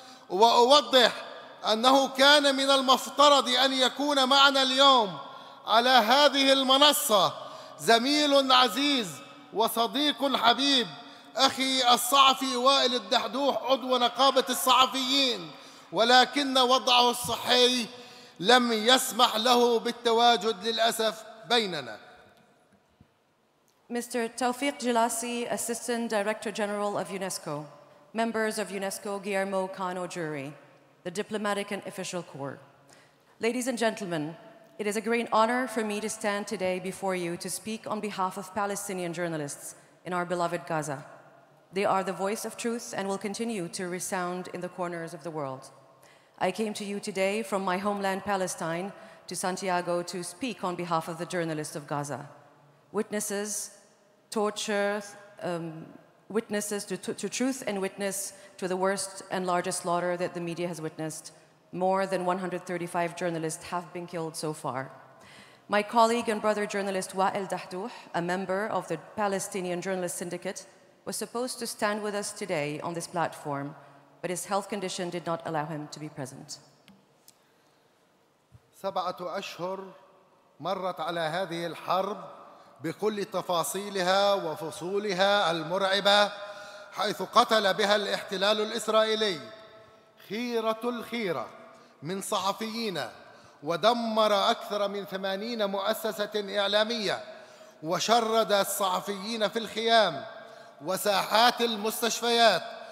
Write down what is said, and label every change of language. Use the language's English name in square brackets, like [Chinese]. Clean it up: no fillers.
[Arabic] وأوضح أنه كان من المفترض أن يكون معنا اليوم على هذه المنصة زميل عزيز وصديق حبيب، أخي الصحفي وائل الدحدوح، عضو نقابة الصحفيين، ولكن وضعه الصحي لم يسمح له بالتواجد للأسف بيننا. [English] Mr. Tawfiq Jelassi, Assistant Director General of UNESCO, members of UNESCO Guillermo Cano Jury, the Diplomatic and Official Corps. Ladies and gentlemen, it is a great honor for me to stand today before you to speak on behalf of Palestinian journalists in our beloved Gaza. They are the voice of truth and will continue to resound in the corners of the world. I came to you today from my homeland, Palestine, to Santiago to speak on behalf of the journalists of Gaza. Witnesses, torture, witnesses to truth and witness to the worst and largest slaughter that the media has witnessed. More than 135 journalists have been killed so far. My colleague and brother journalist Wael Dahdouh, a member of the Palestinian Journalist Syndicate, was supposed to stand with us today on this platform, but his health condition did not allow him to be present. [Arabic] 7 أشهر مرت على هذه الحرب بكل تفاصيلها وفصولها المرعبة، حيث قتل بها الاحتلال الإسرائيلي خيرة الخيرة من صحفيين، ودمر أكثر من 80 مؤسسة إعلامية، وشرد الصحفيين في الخيام وساحات المستشفيات،